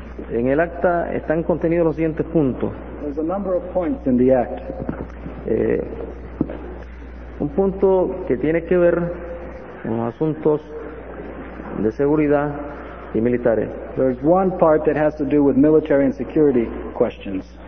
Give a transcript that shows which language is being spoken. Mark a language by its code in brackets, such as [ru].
[es] En el acta están contenidos los siguientes puntos. [en] There's a number of points in the act. [es] Un punto que tiene que ver con los asuntos de seguridad y militares. [en] There's one part that has to do with military and security questions.